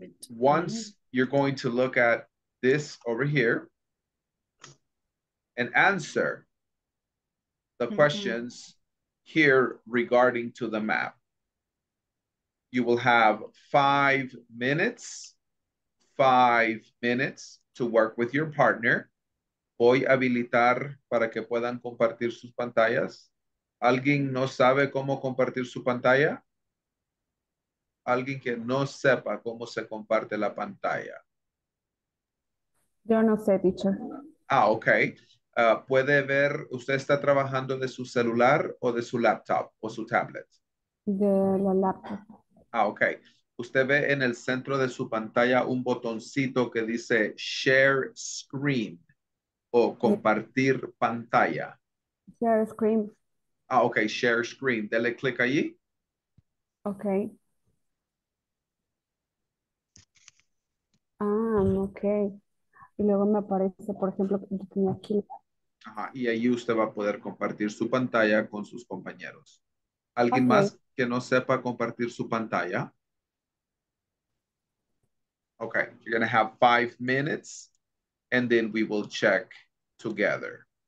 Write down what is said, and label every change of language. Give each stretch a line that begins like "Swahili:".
English: Once you're going to look at this over here and answer the questions here regarding to the map, you will have 5 minutes to work with your partner.
Spanish: Voy a habilitar para que puedan compartir sus pantallas. ¿Alguien no sabe cómo compartir su pantalla? ¿Alguien que no sepa cómo se comparte la pantalla? Yo no sé, teacher. Ah, okay. ¿Puede ver, usted está trabajando de su celular o de su laptop o su tablet? De la laptop. Ah, ok. ¿Usted ve en el centro de su pantalla un botoncito que dice share screen o compartir pantalla?
English: Share screen.
Spanish: Ah, ok, share screen. Dele click allí. Ok. Ah, ok. Y luego me aparece, por ejemplo, que tenía aquí. Ajá, y ahí usted va a poder compartir su pantalla con sus compañeros. ¿Alguien okay. más que no sepa compartir su pantalla?
English: Okay, you're going to have 5 minutes and then we will check together.